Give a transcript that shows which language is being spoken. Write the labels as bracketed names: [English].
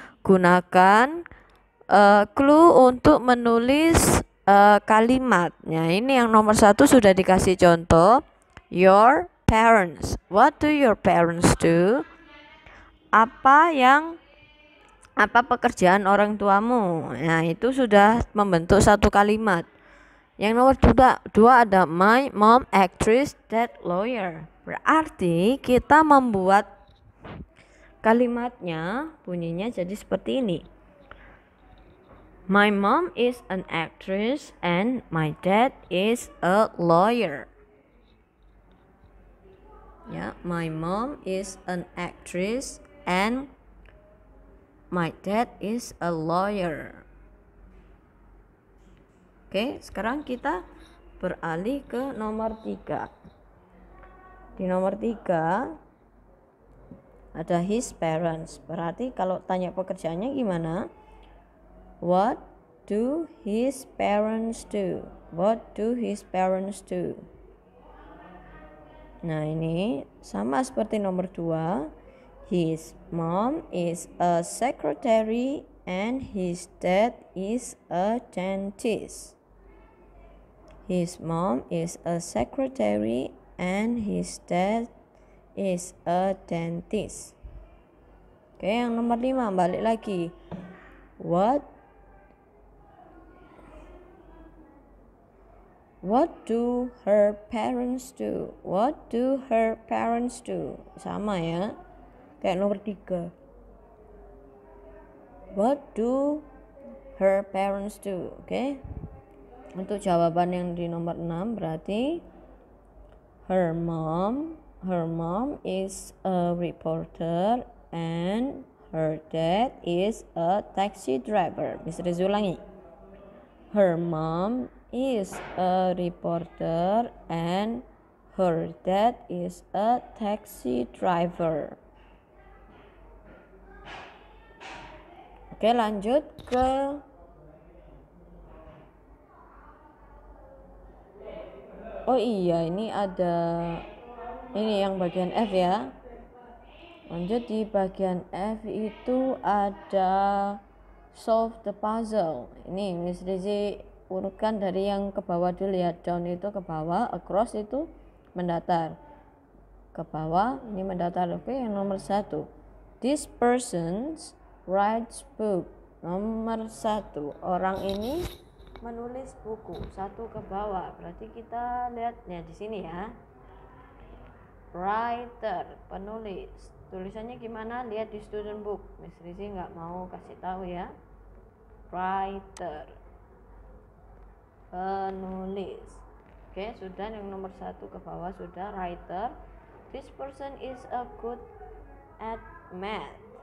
[Indonesian] Gunakan clue untuk menulis kalimatnya. Ini yang nomor 1 sudah dikasih contoh. [English] Your parents. What do your parents do? [Indonesian] Apa pekerjaan orang tuamu? Nah, itu sudah membentuk satu kalimat. Yang nomor 2 ada [English] my mom actress dad lawyer. [Indonesian] Berarti kita membuat kalimatnya bunyinya jadi seperti ini. [English] My mom is an actress and my dad is a lawyer. Ya, my mom is an actress and my dad is a lawyer. [Indonesian] Oke, sekarang kita beralih ke nomor 3. Di nomor 3 ada [English] his parents. [Indonesian] Berarti kalau tanya pekerjaannya gimana? [English] What do his parents do? What do his parents do? [Indonesian] Nah, ini sama seperti nomor 2. [English] His mom is a secretary and his dad is a dentist. His mom is a secretary and his dad is a dentist. [Indonesian] Oke, yang nomor 5 balik lagi. [English] What do her parents do? What do her parents do? [Indonesian] Sama ya. Kayak nomor 3. [English] What do her parents do? Oke. [Indonesian] Untuk jawaban yang di nomor 6 berarti [English] her mom is a reporter and her dad is a taxi driver. [Indonesian] Bisa diulangi. [English] Her mom is a reporter and her dad is a taxi driver. [Indonesian] Oke, lanjut ke ini ada ini yang bagian F ya. Lanjut di bagian F itu ada [English] solve the puzzle. [Indonesian] Ini Miss Lizzie urutkan dari yang ke bawah dulu ya. Down itu ke bawah, across itu mendatar. Ke bawah, ini mendatar. Oke, yang nomor 1. [English] This person writes book. [Indonesian] Nomor 1, orang ini menulis buku. Satu ke bawah, berarti kita lihatnya di sini ya. Writer, penulis. Tulisannya gimana? Lihat di student book. Miss Rizzi nggak mau kasih tahu ya. Writer, penulis. Oke, sudah yang nomor 1 ke bawah sudah writer. [English] This person is a good at math.